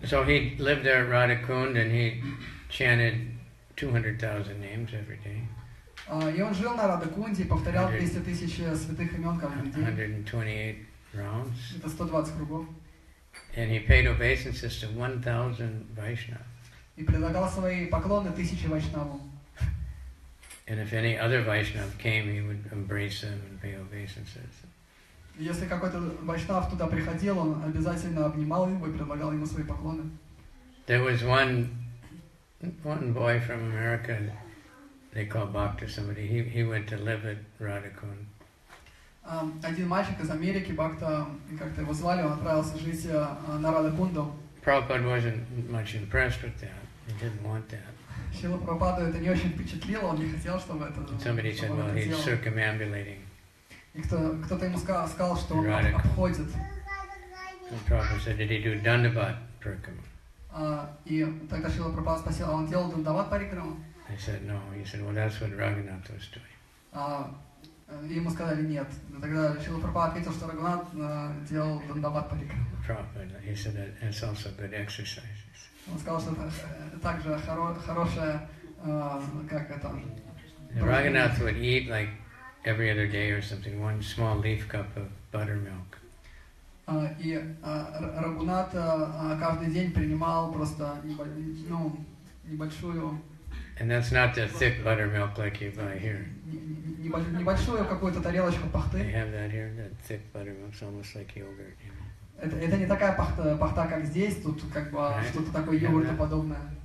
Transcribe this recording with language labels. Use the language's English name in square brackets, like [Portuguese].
[English] So he lived there at Radhakund, and he chanted 200,000 names every day. [Russian] И он жил на Радакунде и повторял 200 тысяч святых имен каждый день. [English] 128 rounds. [Russian] Это 120 кругов. [English] And he paid obeisances to 1,000 Vaishnavas. [Russian] И предлагал свои поклоны 1,000 Вайшнавам. [English] And if any other Vaishnav came, he would embrace them and pay obeisances. [Russian] Если какой-то Вайшнав туда приходил, он обязательно обнимал его и предлагал ему свои поклоны. [English] There was one boy from America, they call Bhakta somebody, he went to live at Radhakund. [Russian] Один мальчик из Америки, Бхакта, как-то его звали, он отправился жить на Радхакунду. [English] Prabhupada wasn't much impressed with that. He didn't want that. [Russian] Шрила Прабхупада это не очень впечатлило, он не хотел, чтобы это... [English] Somebody said, well, he's circumambulating. [Russian] И кто-то ему сказал, что он обходит. [English] And Prabhupada said, did he do Dandavat Parikrama? [Russian] И тогда Шрила Прабхупада спросил, а он делал Дандават Парикрама? [English] He said, no. He said, well, that's what Raghunath was doing. [Russian] Ему сказали нет. Тогда Шрила Прабхупада ответил, что Рагунат делал Дандават Парикрама. [English] Prabhupada, he said, it's also good exercises. [Russian] Он сказал, что это также хорошая, как это... [English] Рагунатх would eat like every other day or something, one small leaf cup of buttermilk. [Russian] И Рагунат каждый день принимал просто небольшую... [English] And that's not the thick buttermilk like you buy here. [Russian] Небольшую какую-то тарелочку пахты. [English] They have that here, that thick buttermilk, it's almost like yogurt. [Russian] Это не такая пахта, как здесь, тут как бы что-то такое йогуртоподобное.